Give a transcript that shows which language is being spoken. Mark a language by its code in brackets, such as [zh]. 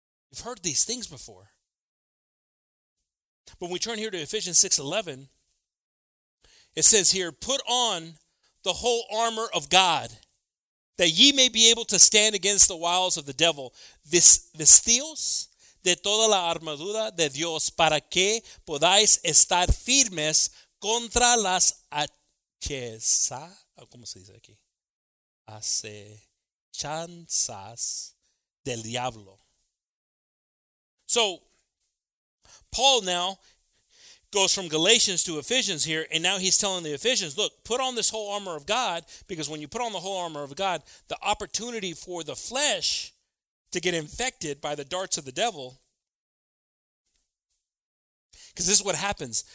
[en] You've heard these things before. But when we turn here to Ephesians 6:11, it says here, put on the whole armor of God, that ye may be able to stand against the wiles of the devil. [es] Vestíos de toda la armadura de Dios para que podáis estar firmes contra las acechanzas del diablo. [en] So, Paul now goes from Galatians to Ephesians here, and now he's telling the Ephesians, look, put on this whole armor of God, because when you put on the whole armor of God, the opportunity for the flesh to get infected by the darts of the devil, because this is what happens.